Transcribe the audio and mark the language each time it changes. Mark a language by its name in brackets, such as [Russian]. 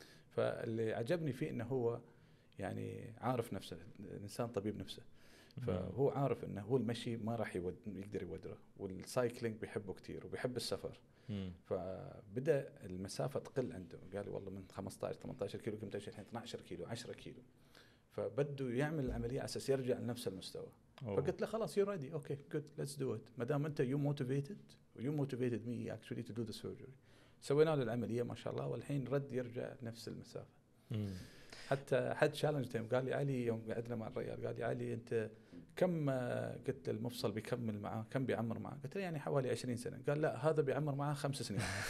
[Arabic] فاللي عجبني فيه إنه هو يعني عارف نفسه الإنسان طبيب نفسه فهو عارف إنه هو المشي ما راح يقدر يودره والسايكلينج بيحبه كتير وبيحب السفر فبدأ المسافة تقل عنده قال والله من 15-18 كيلو قمت أمشي الحين 12 كيلو 10 كيلو فبده يعمل العملية على أساس يرجع لنفس المستوى. فقلت له خلاص [English] you're ready okay good let's do it [Arabic] ما دام أنت [English] you motivated you motivated me actually to do the surgery. [Arabic] سوينا له العملية ما شاء الله والحين رد يرجع نفس المسافة. حتى حد شالنج تيم قال لي علي يوم قعدنا مع الرجال قال لي علي أنت كم قلت له المفصل بيكمل معه كم بيعمر معه قلت له يعني حوالي 20 سنة قال لا هذا بيعمر معه 5 سنين